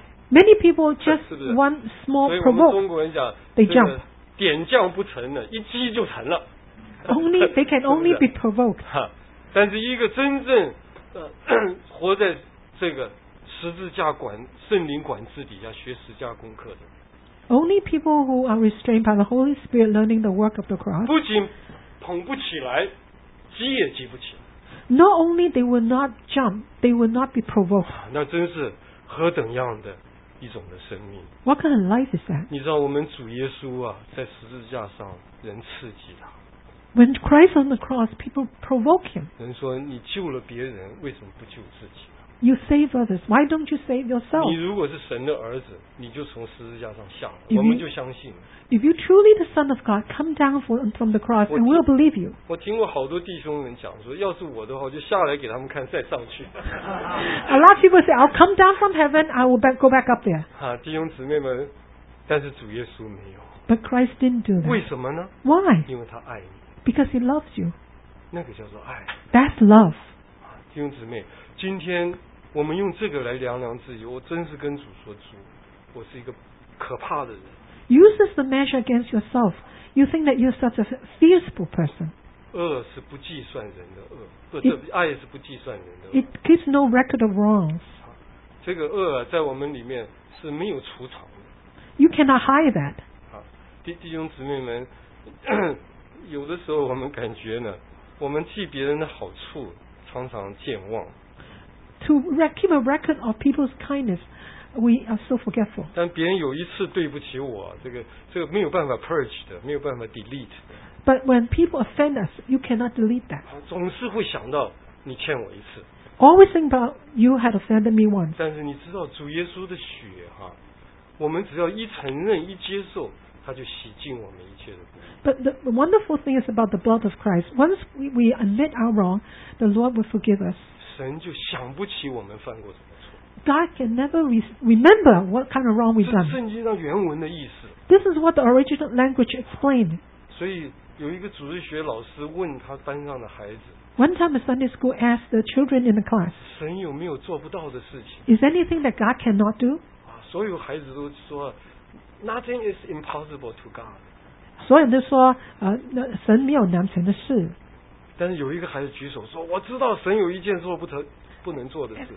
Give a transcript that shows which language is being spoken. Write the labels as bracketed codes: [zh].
[en] Many people just one small provoke. [zh] 中国人讲 [en] ，they jump. [zh] 点将不成的，一击就成了。 [en] Only they can only be provoked. [zh] 但是一个真正活在这个十字架管圣灵管制底下学十字架功课的 [en] ，Only people who are restrained by the Holy Spirit learning the work of the cross. [zh] 不仅捧不起来，击也击不起来。 [en] Not only they will not jump, they will not be provoked. [zh] 那真是。何等样的一种的生命 [en] ？What kind of life is that？ [zh] 你知道我们主耶稣啊，在十字架上人刺激他。 [en] When Christ on the cross, people provoke him. [zh] 人说你救了别人，为什么不救自己呢 [en] You save others. Why don't you save yourself? [zh] 你如果是神的儿子，你就从十字架上下来， if、我们就相信。 [en] If you truly the Son of God, come down from the cross, and we'll believe you. [zh] 我听过好多弟兄们讲说，要是我的话，我就下来给他们看，再上去。 [en] A lot of people say, I'll come down from heaven, I will go back up there. [zh] 哈，弟兄姊妹们，但是主耶稣没有。 [en] But Christ didn't do that. [zh] 为什么呢？ [en] Why? [zh] 因为他爱你。 [en] Because he loves you. [zh] 那个叫做爱。 [en] That's love. [zh] 弟兄姊妹，今天我们用这个来量量自己，我真是跟主说，主，我是一个可怕的人。 [en] Use this to measure against yourself. You think that you're such a fearful person. [zh] 恶是不计算人的恶，不对，爱是不计算人的恶。 [en] It keeps no record of wrongs. [zh] 这个恶在我们里面是没有出场的。 [en] You cannot hide that. [zh] 弟兄姊妹们，有的时候我们感觉呢，我们记别人的好处，常常健忘。 [en] To keep a record of people's kindness, we are so forgetful. [zh] 但别人有一次对不起我，这个没有办法 purge 的，没有办法 delete 的。 [en] But when people offend us, you cannot delete that. [zh] 总是会想到你欠我一次。 [en] Always think about you had offended me once. [zh] 但是你知道主耶稣的血哈，我们只要一承认一接受，他就洗净我们一切的。 [en] But the wonderful thing is about the blood of Christ. Once we admit our wrong, the Lord will forgive us. [zh] 神就想不起我们犯过什么错。 [en] God can never remember what kind of wrong we've done. [zh] 这是圣经上原文的意思。 [en] This is what the original language explained. [zh] 所以有一个主日学老师问他班上的孩子。 [en] One time a Sunday school asked the children in the class. [zh] 神有没有做不到的事情 [en] ？Is anything that God cannot do？ [zh] 所有孩子都说 [en] ，Nothing is impossible to God. [zh] 所有人都说，神没有难成的事。但是有一个孩子举手说：“我知道神有一件做不能做的事。”